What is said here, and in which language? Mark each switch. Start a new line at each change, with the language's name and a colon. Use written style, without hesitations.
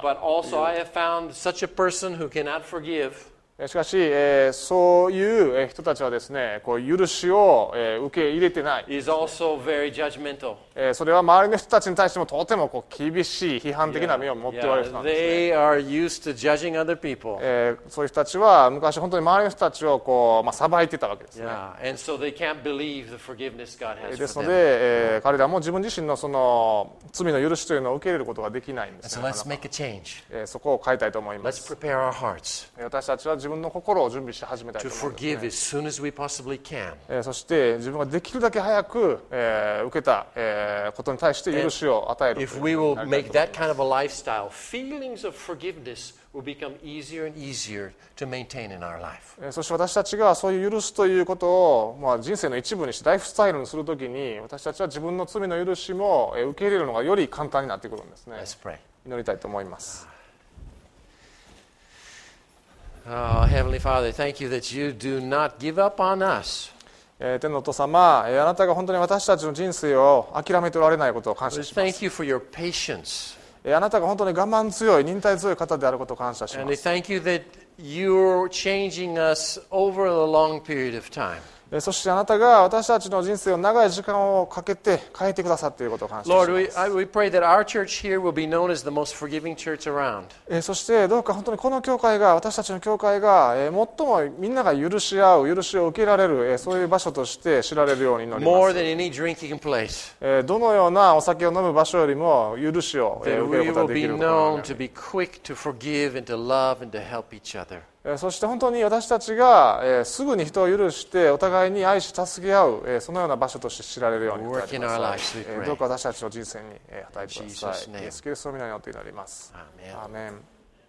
English: But also I have found such a person who cannot forgive.
Japanese: しかし、そういう人たちはですね、こう許しを、受け入れてない、ね。
English: Is also very judgmental.
Japanese: それは周りの人たちに対してもとてもこう厳しい批判的な目を持っておられる人なんですね。
English: Yeah. They are used to judging other people.
Japanese: そういう人たちは昔本当に周りの人たちをこう、まあ、裁いてたわけですね。
English: Yeah. And so they can't believe the forgiveness God has for them.
Japanese: ですので、彼らも自分自身のその罪の許しというのを受け入れることができないんですね。
English: So let's make a change.
Japanese: そこを変えたいと思います。
English: Let's prepare our hearts.
Japanese: 私たちは自分の心を準備して始めたいと思いますね。 as as そして自分ができるだけ早く、受けた、ことに対して許しを与えるというふうになりたいと思います。
English: If we will make thwill become easier and easier to maintain in our life.
Japanese: そして私たちがそういう許すということを、まあ、人生の一部にしてライフスタイルにするときに、私たちは自分の罪の許しも受け入れるのがより簡単になってくるんですね。
English: Let's pray.
Japanese: 祈りたいと思います。
English: Oh, Heavenly Father, thank you that you do not give up on us.
Japanese: 天のお父様、あなたが本当に私たちの人生を諦めておられないことを感謝します。
English: Thank you for your patience.
Japanese: あなたが本当に我慢強い、忍耐強い方であることを感謝します。
English: And thank you that you're changing us over a long period of time.
Japanese: そしてあなたが私たちの人生を長い時間をかけて変えてくださっていることを感謝します。
English: Lord, we pray that our church here will be known as the most forgiving church around.
Japanese: そしてどうか本当にこの教会が、私たちの教会が最もみんなが許し合う、許しを受けられる、そういう場所として知られるように祈ります。
English: More than any drinking place.
Japanese: どのようなお酒を飲む場所よりも許しを受けることができるように。
English: That we will be known to be quick to forgive and to love and to help each other.
Japanese: そして本当に私たちがすぐに人を許してお互いに愛し助け合う、そのような場所として知られるようにいただきます。どうか私たちの人生に与えてください。イエス・キリストの名によって祈ります。アーメン。